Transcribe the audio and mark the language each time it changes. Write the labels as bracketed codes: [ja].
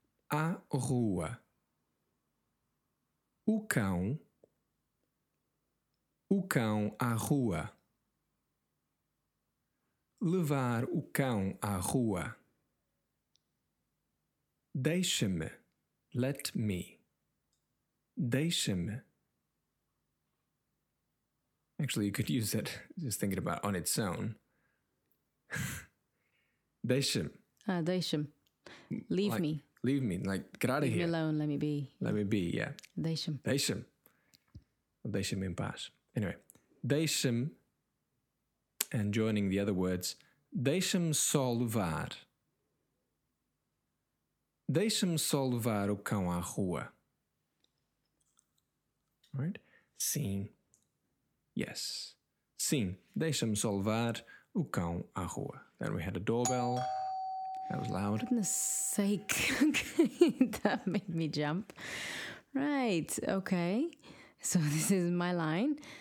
[pt] A rua, o cão à rua, levar o cão à rua, deixa-me, [en] let me, [pt] deixa-me. [en] Actually, you could use it, just thinking about it on its own. [pt] Deixa-me. Ah, deixa-me. Leave [en] like, me. Leave me, like, get out of here. Leave me alone, let me be. Let me be, yeah. [pt] Deixa-me. Deixa-me. Deixa-me em paz. [en] Anyway, [pt] deixa-me, [en] and joining the other words, [pt] deixa-me só levar. Deixa-me só levar o cão à rua. Right? Sim. Yes. Sim, deixa-me só levar o cão à rua. [en] Then we had a doorbell. That was loud. Goodness sake. Okay, that made me jump. Right, okay. So this is my line.